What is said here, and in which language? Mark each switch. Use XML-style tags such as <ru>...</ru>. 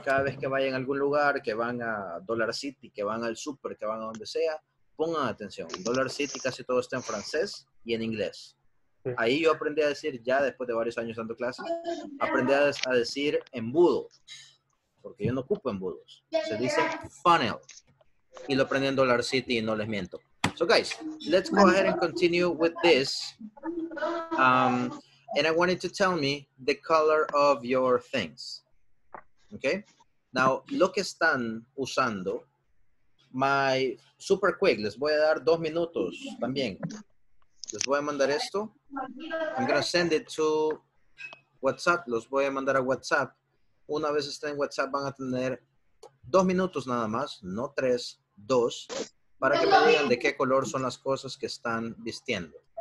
<es>Cada vez que vayan a algún lugar, que van a Dollar City, que van al super, que van a donde sea, pongan atención. Dollar City casi todo está en francés y en inglés. Ahí yo aprendí a decir, ya después de varios años dando clases, aprendí a decir embudo, porque yo no ocupo embudos. Se dice funnel. Y lo aprendí en Dollar City y no les miento.</es> <en>So guys, let's go ahead and continue with this. And I wanted to tell me the color of your things. Okay?</en> <es>Now, lo que están usando,</es> <en>my super quick,</en> <es>les voy a dar 2 minutos también. Les voy a mandar esto.</es> <en>I'm going to send it to WhatsApp.</en> <es>Los voy a mandar a WhatsApp. Una vez estén en WhatsApp, van a tener 2 minutos nada más, no 3, 2, para que me digan de qué color son las cosas que están vistiendo.</es>